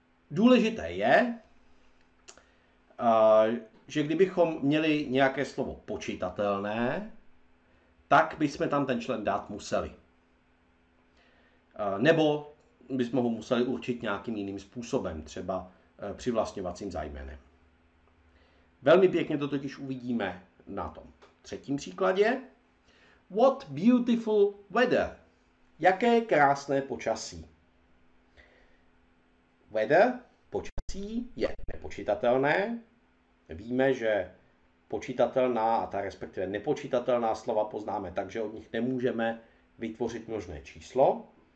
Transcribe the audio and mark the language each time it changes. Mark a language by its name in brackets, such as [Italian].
[Czech] Důležité je, že kdybychom měli nějaké slovo počitatelné, tak bychom tam ten člen dát museli. Nebo bychom ho museli určit nějakým jiným způsobem, třeba přivlastňovacím zájmenem. Velmi pěkně to totiž uvidíme na tom třetím příkladě. [English] What beautiful weather! [Czech] Jaké krásné počasí! Weather, počasí, je nepočitatelné. Víme, že počitatelná a ta respektive nepočitatelná slova poznáme tak, že od nich nemůžeme vytvořit množné číslo.